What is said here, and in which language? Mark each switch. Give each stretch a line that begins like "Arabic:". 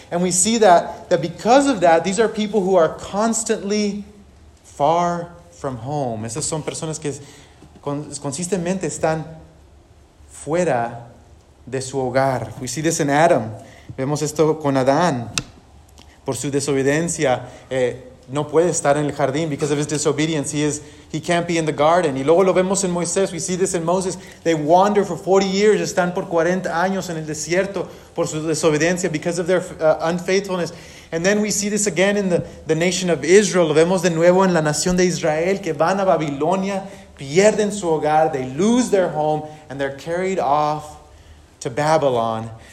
English: And we see that because of that, these are people who are constantly far from home.
Spanish: Esas son personas que consistentemente están fuera de su hogar.
English: We see this in Adam.
Spanish: Vemos esto con Adán. Por su desobediencia, no puede estar en el jardín.
English: Because of his disobedience, he can't be in the garden.
Spanish: Y luego lo vemos en Moisés.
English: We see this in Moses. They wander for 40 years.
Spanish: Están por 40 años en el desierto por su desobediencia,
English: because of their unfaithfulness. And then we see this again in the nation of Israel.
Spanish: Lo vemos de nuevo en la nación de Israel, que van a Babilonia, pierden su hogar,
English: they lose their home, and they're carried off to Babylon.